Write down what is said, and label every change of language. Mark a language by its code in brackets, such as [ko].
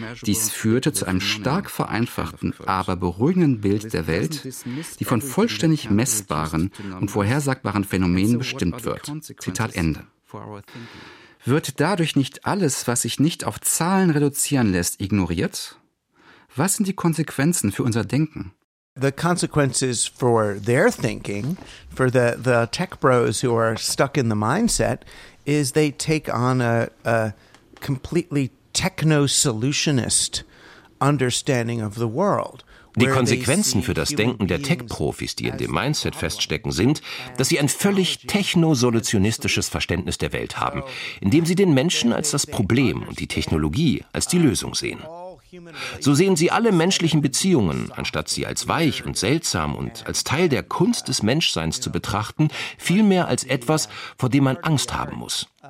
[de] Dies führte zu einem stark vereinfachten, aber beruhigenden Bild der Welt, die von vollständig messbaren und vorhersagbaren Phänomenen bestimmt wird. Zitat Ende. Wird dadurch nicht alles, was sich nicht auf Zahlen reduzieren lässt, ignoriert? Was sind die Konsequenzen für unser Denken? [en] The consequences for their thinking, for the tech bros who are stuck in the mindset, is they take on a completely techno-solutionist understanding of the world. [de] Die Konsequenzen für das Denken der Tech-Profis, die in dem Mindset feststecken, sind, dass sie ein völlig technosolutionistisches Verständnis der Welt haben, indem sie den Menschen als das Problem und die Technologie als die Lösung sehen. So sehen sie alle menschlichen Beziehungen, anstatt sie als weich und seltsam und als Teil der Kunst des Menschseins zu betrachten, vielmehr als etwas, vor dem man Angst haben muss.